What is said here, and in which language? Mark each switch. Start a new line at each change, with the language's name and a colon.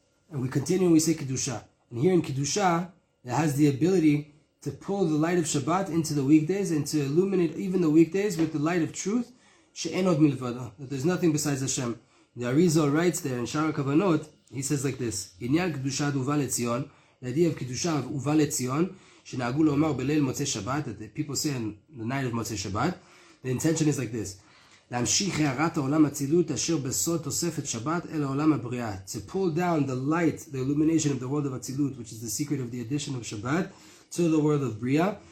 English: And we continue and we say Kiddusha. And here in Kiddusha, it has the ability to pull the light of Shabbat into the weekdays and to illuminate even the weekdays with the light of truth.
Hebrew: She'en od milvado.
English: That there's nothing besides Hashem. The Arizal writes there in Shara Kavanot, he says like this.
Hebrew: Inyan Kiddusha uva letzion.
English: The idea of Kiddusha uva letzion.
Hebrew: She'na'agu lomar b'leil motzei Shabbat.
English: That the people say on the night of motzei Shabbat. The intention is like this:
Hebrew: להמשיך הארת העולם הצילות אשר בסוד תוספת שבת אל העולם הבריאה.
English: To pull down the light, the illumination of the world of הצילות, which is the secret of the addition of Shabbat, to the world of בריאה.